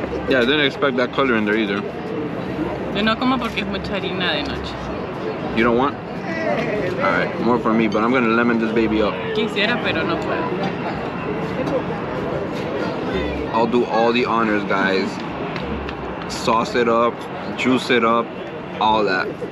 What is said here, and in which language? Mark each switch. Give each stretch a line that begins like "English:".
English: Yeah, I didn't expect that color in there either.
Spanish: Yo no como porque es mucha harina de noche.
English: You don't want? Alright, more for me, but I'm gonna lemon this baby up.
Spanish: Quisiera, pero no puedo.
English: I'll do all the honors, guys. Sauce it up, juice it up, all that.